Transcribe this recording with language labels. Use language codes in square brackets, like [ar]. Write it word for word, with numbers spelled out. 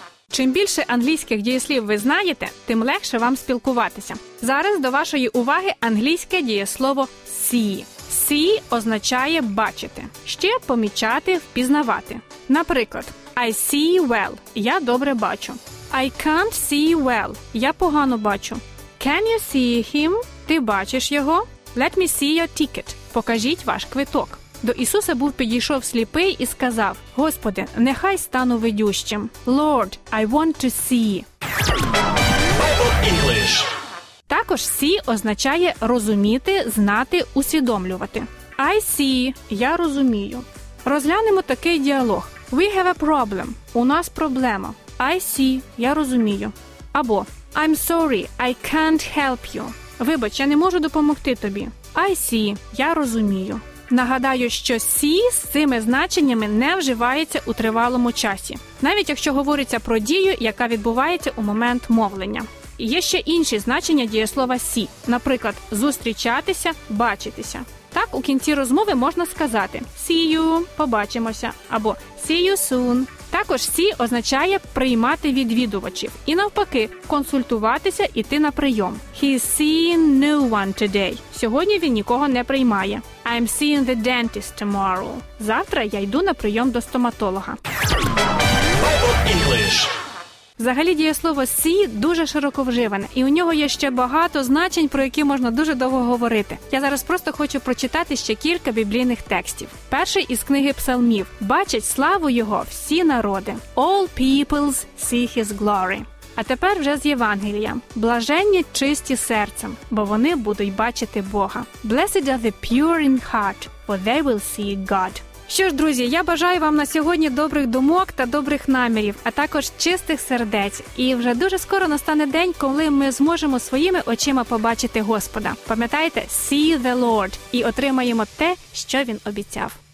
[uk] Чим більше англійських дієслів ви знаєте, тим легше вам спілкуватися. Зараз до вашої уваги англійське дієслово see. See означає бачити, ще помічати, впізнавати. Наприклад, [en] I see well [uk] – я добре бачу. [en] I can't see well – [uk] я погано бачу. [en] Can you see him? [uk] Ти бачиш його? [en] Let me see your ticket – [uk] покажіть ваш квиток. До Ісуса був підійшов сліпий і сказав: «Господи, нехай стану видющим». [en] Lord, I want to see. English. [uk] Також «see» означає розуміти, знати, усвідомлювати. [en] I see [uk] – я розумію. Розглянемо такий діалог. [en] We have a problem. [uk] У нас проблема. [en] I see [uk] – я розумію. [en] Або I'm sorry, I can't help you. [uk] Вибач, я не можу допомогти тобі. [en] I see [uk] – я розумію. Нагадаю, що see з цими значеннями не вживається у тривалому часі, навіть якщо говориться про дію, яка відбувається у момент мовлення. Є ще інші значення дієслова see, наприклад, зустрічатися, бачитися. Так, у кінці розмови можна сказати [en] see you, [uk] побачимося, або [en] see you soon. [uk] Також see означає приймати відвідувачів і навпаки, консультуватися, іти на прийом. [en] He is seeing no one today. [uk] Сьогодні він нікого не приймає. [en] I'm seeing the dentist tomorrow. [uk] Завтра я йду на прийом до стоматолога. [en] English. [uk] Взагалі дієслово see дуже широко вживане, і у нього є ще багато значень, про які можна дуже довго говорити. Я зараз просто хочу прочитати ще кілька біблійних текстів. Перший із книги Псалмів. «Бачать славу його всі народи». [en] All peoples see his glory. [uk] А тепер вже з Євангелія. «Блаженні чисті серцем, бо вони будуть бачити Бога». [en] Blessed are the pure in heart, for they will see God. [uk] Що ж, друзі, я бажаю вам на сьогодні добрих думок та добрих намірів, а також чистих сердець. І вже дуже скоро настане день, коли ми зможемо своїми очима побачити Господа. Пам'ятайте, [en] see the Lord, [uk] і отримаємо те, що Він обіцяв.